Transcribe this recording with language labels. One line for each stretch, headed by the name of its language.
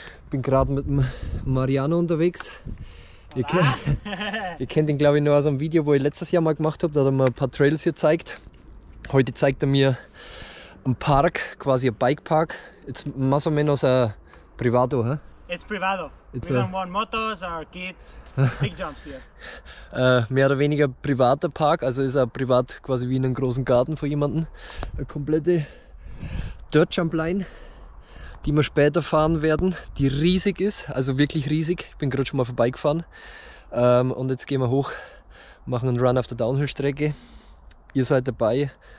German: Bin gerade mit dem Mariano unterwegs. Ihr kennt ihn, glaube ich, nur aus einem Video, wo ich letztes Jahr mal gemacht habe. Da hat er mir ein paar Trails hier gezeigt. Heute zeigt er mir einen Park, quasi ein Bikepark.
Spanish: Jetzt más o menos ein privado, hä?
English: It's privado. It's we don't want motos or kids. Big jumps here.
German: Mehr oder weniger privater Park, also ist er privat quasi wie in einem großen Garten von jemandem. Eine komplette Dirtjumpline, die wir später fahren werden, die riesig ist, also wirklich riesig. Ich bin gerade schon mal vorbeigefahren. Und jetzt gehen wir hoch, machen einen Run auf der Downhill-Strecke. Ihr seid dabei.